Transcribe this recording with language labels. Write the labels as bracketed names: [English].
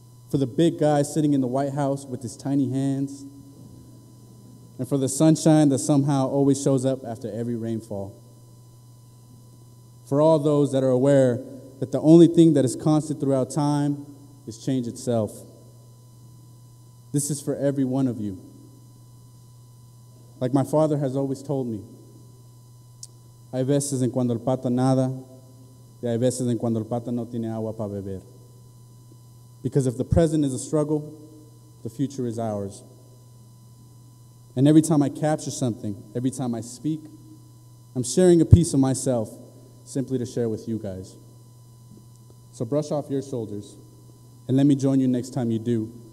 [English] For the big guy sitting in the White House with his tiny hands, and for the sunshine that somehow always shows up after every rainfall. For all those that are aware that the only thing that is constant throughout time is change itself. This is for every one of you. Like my father has always told me, [Spanish] hay veces en cuando el pato nada, y hay veces en cuando el pato no tiene agua para beber. [English] Because if the present is a struggle, the future is ours. And every time I capture something, every time I speak, I'm sharing a piece of myself simply to share with you guys. So brush off your shoulders, and let me join you next time you do.